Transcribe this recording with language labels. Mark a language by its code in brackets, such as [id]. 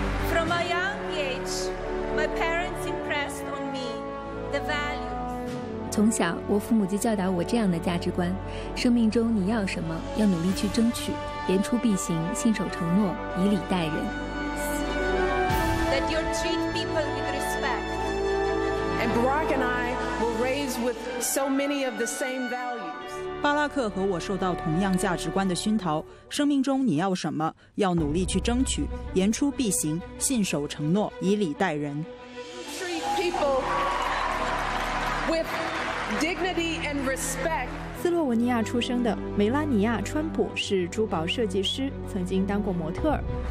[en] From a young age, my parents impressed on me the values. [zh] 从小，我父母就教导我这样的价值观：生命中你要什么，要努力去争取，言出必行，信守承诺，以礼待人。 [en] That you treat people with respect. And Barack and I were raised with so many of the same values. [zh] 巴拉克和我受到同样价值观的熏陶，生命中你要什么，要努力去争取，言出必行，信守承诺，以礼待人。斯洛文尼亚出生的梅拉尼亚·川普是珠宝设计师，曾经当过模特儿。